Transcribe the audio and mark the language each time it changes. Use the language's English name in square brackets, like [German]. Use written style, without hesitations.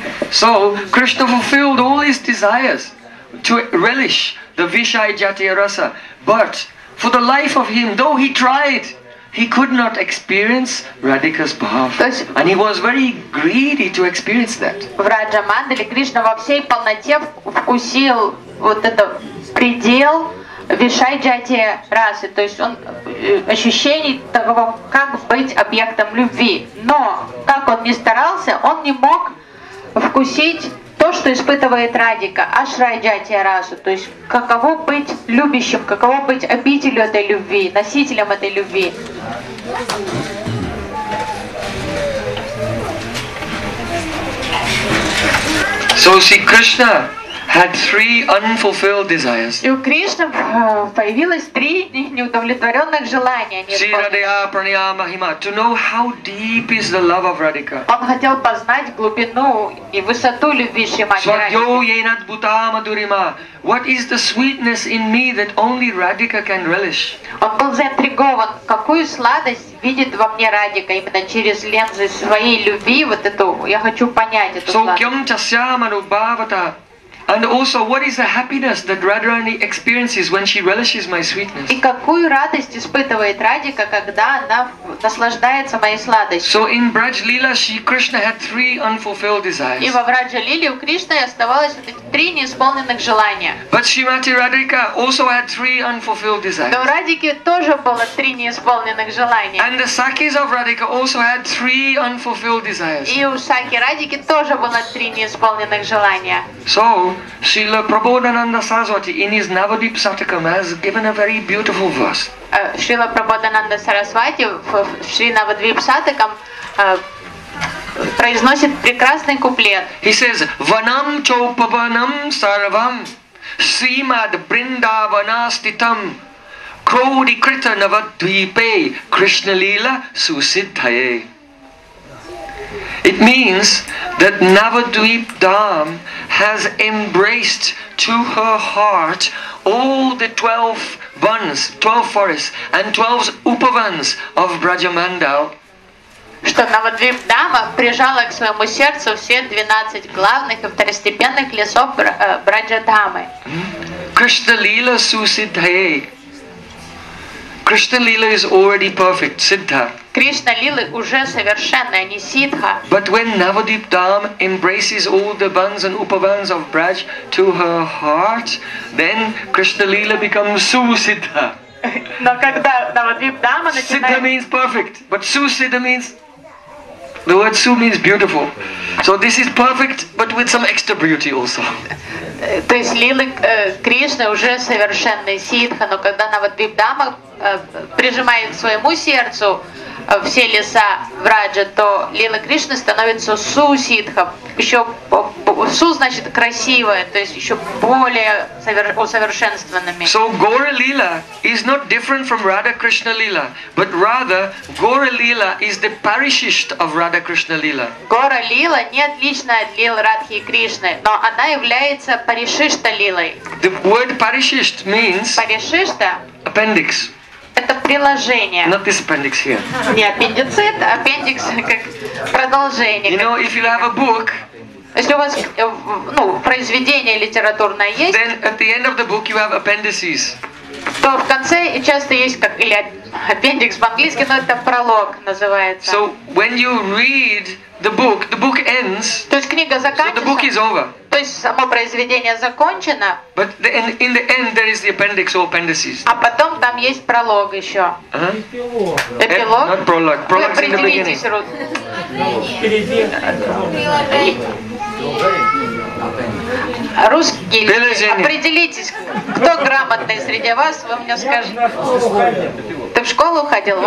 [English] So Krishna fulfilled all his desires to relish the Vishai Jatiya Rasa, but for the life of him, though he tried, he could not experience Radhika's bhav. And he was very greedy to experience that. [Russian] В Раджа Мандале Кришна во всей полноте вкусил вот этот предел Вишай Джатия Расы, то есть он ощущение того, как быть объектом любви. Но как он ни старался, он не мог вкусить то, что испытывает Радика, Ашрай Джатия Расу, то есть каково быть любящим, каково быть обителю этой любви, носителем этой любви. [English] So see Krishna had three unfulfilled desires. [Russian] И у Кришны появилось три неудовлетворенных желания. [Sanskrit] Си Радия Праня Махима. [English] To know how deep is the love of Radhika. [Russian] Он хотел познать глубину и высоту любви Шримати Радхи. [Sanskrit] Свадьо Йенат Бута Мадурима. [English] What is the sweetness in me that only Radhika can relish? [Russian] Он был заинтригован, какую сладость видит во мне Радика именно через лензы своей любви, вот эту, я хочу понять эту сладость. [Sanskrit] So кем тася ману бавата. [English] And also, what is the happiness that Radharani experiences when she relishes my sweetness? [Russian] И какую радость испытывает Радика, когда она наслаждается моей сладостью? [English] So in Braj Lila, Krishna had three unfulfilled desires. [Russian] И во Враджа Лиле у Кришны оставалось три неисполненных желания. [English] But Shrimati Radhika also had three unfulfilled desires. [Russian] Но у Радики тоже было три неисполненных желания. [English] And the Sakis of Radhika also had three unfulfilled desires. [Russian] И у Саки Радики тоже было три неисполненных желания. [English] So Srila Prabodhananda Saraswati in his Navadvip Satakam has given a very beautiful verse. [Russian] Srila Prabodhananda Saraswati в Шри Навадвип Сатакам произносит прекрасный куплет. [English] He says, [Sanskrit] Vanam Chopavanam Sarvam Srimad Brindavanastitam Krodi Krita Navadvipe Krishna Lila Susiddhaye. [English] It means that Navadvip Dham has embraced to her heart all the 12 vans, 12 forests and 12 upavans of Brajamandal. [Russian] Что Навадвип Дама прижала к своему сердцу все 12 главных и второстепенных лесов Браджадхамы. [Sanskrit] Krishna Lila Su Siddhaye. [English] Krishna Lila is already perfect, Siddha. [Russian] Krishna Lila уже совершенная, не Сидха. [English] But when Navadvip Dham embraces all the vans and upavans of Braj to her heart, then Krishna Lila becomes Su Siddha. [Russian] Но когда Навадвип Дама начинает... [English] Siddha means perfect, but Su Siddha means... The word Su means beautiful. So this is perfect, but with some extra beauty also. [Russian] То есть Лила Кришна уже совершенная ситха, но когда Навадвип Дама прижимает к своему сердцу все леса Враджа, то Лила Кришна становится су-ситхом. Еще су значит красивая, то есть еще более усовершенствованными. [English] So Gaura Lila is not different from Radha Krishna Lila, but rather Gaura Lila is the parishisht of Radha Krishna Lila. [Russian] Gaura Lila не отлична от Лил Радхи Кришны, но она является паришишта Лилой. [English] The word parishisht means [Russian] парешишта? [English] Appendix. [Russian] Это приложение. [English] Not this appendix here. [Russian] Не аппендицит, аппендикс как продолжение. [English] You know, if you have a book, [Russian] если у вас произведение литературное есть, [English] then at the end of the book you have appendices. [Russian] То в конце часто есть как или аппендикс по-английски, но это пролог называется. [English] So when you read the book ends. [Russian] То есть книга заканчивается. [English] So the book is over. [Russian] То есть само произведение закончено. [English] But the, in the end there is the appendix or appendices. [Russian] А потом там есть пролог еще. [English] Эпилог. Not prologue. Prologue in the beginning. [Russian] Русский. Определитесь, кто грамотный среди вас, вы мне скажете. Ты в школу ходил?